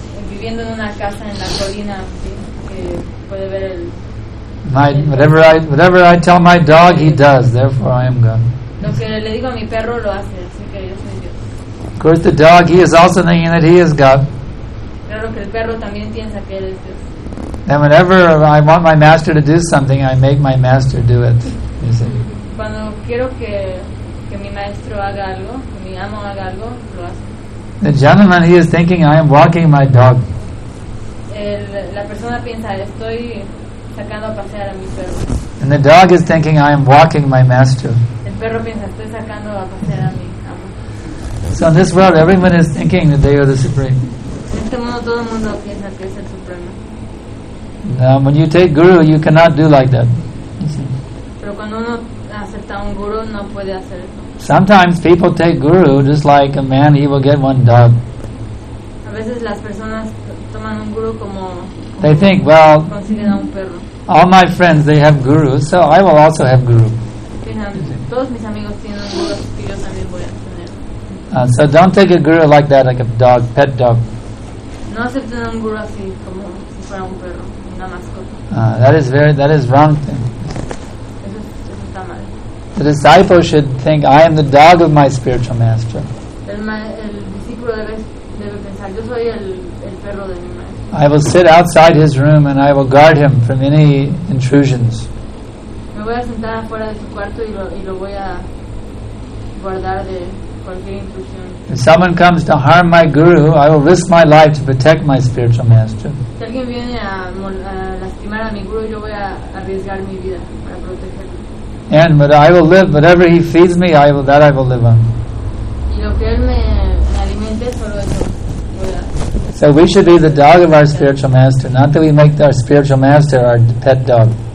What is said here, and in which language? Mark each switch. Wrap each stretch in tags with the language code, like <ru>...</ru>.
<es>Viviendo en una casa en la colina que puede ver el</es> <en>whatever I tell my dog he does, therefore I am God.</en> <es>Lo que le digo a mi perro lo hace, así que yo soy Dios.</es> <en>Of course the dog he is also thinking that he is God.</en> <es>Claro que el perro también piensa que él es Dios.</es> <en>And whenever I want my master to do something, I make my master do it. You see.</en> <es>Cuando quiero que mi maestro haga algo, que mi amo haga algo, lo hace.</es> <en>The gentleman, he is thinking, I am walking my dog.</en> <es>La persona piensa, estoy sacando a pasear a mi perro.</es> <en>And the dog is thinking, I am walking my master.</en> <es>El perro piensa, estoy sacando a pasear a mi amo.</es> <en>So in this world, everyone is thinking that they are the supreme.</en> <es>En este mundo, todo el mundo piensa que es el supremo.</es> <en>Now, when you take guru, you cannot do like that.</en> <es>Pero cuando uno acepta un guru, no puede hacer eso.</es> <en>Sometimes people take guru just like a man, he will get one dog.</en> <es>A veces las personas toman un guru como</es> <en>they think, well,</en> <es>consiguen a un perro.</es> <en>All my friends, they have gurus, so I will also have guru.</en> <es>Fíjense, todos mis amigos tienen gurus, y yo también voy a tener.</es> <en>So don't take a guru like that, like a dog, pet dog.</en> <es>No acepten un guru así, como si fuera un perro.</es> <en>That is wrong thing.</en> <es>Eso está mal.</es> <en>The disciple should think, I am the dog of my spiritual master.</en> <es>El discípulo debe pensar, yo soy el perro de mi maestro.</es> <en>I will sit outside his room and I will guard him from any intrusions.</en> <es>Me voy a sentar afuera de su cuarto y lo voy a guardar de cualquier intrusión.</es> <en>If someone comes to harm my guru, I will risk my life to protect my spiritual master.</en> <es>Si alguien viene a lastimar a mi guru, yo voy a arriesgar mi vida para protegerlo.</es> <en>And but I will live whatever he feeds me, I will live on.</en> <es>Y lo que él me alimente, solo eso pueda.</es> <en>So we should be the dog of our spiritual master, not that we make our spiritual master our pet dog.</en>